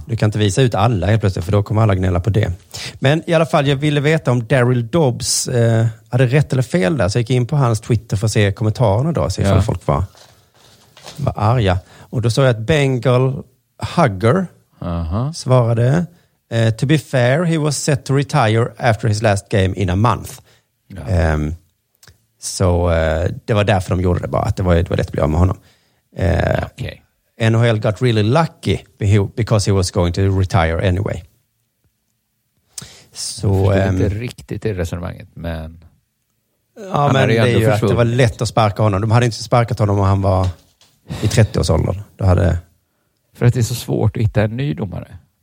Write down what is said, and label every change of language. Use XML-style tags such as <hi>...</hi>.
<sv>Du kan inte visa ut alla helt plötsligt, för då kommer alla gnälla på det. Men i alla fall, jag ville veta om Daryl Dobbs hade rätt eller fel där. Så jag gick in på hans Twitter för att se kommentarerna då, se ifall folk var arga. Och då sa jag att Bengal Hugger svarade</sv> <en>to be fair, he was set to retire after his last game in a month.</en> <sv>Ja. Så det var därför de gjorde det bara. Att det var lätt att bli av med honom. Okay.</sv> <en>NHL got really lucky because he was going to retire anyway.</en> <sv>Så, jag förstod inte riktigt i resonemanget, men... Ja, men det är ju att det var lätt att sparka honom. De hade inte sparkat honom och han var... I 30-årsåldern. Då hade... För att det är så svårt att hitta en ny domare.</sv>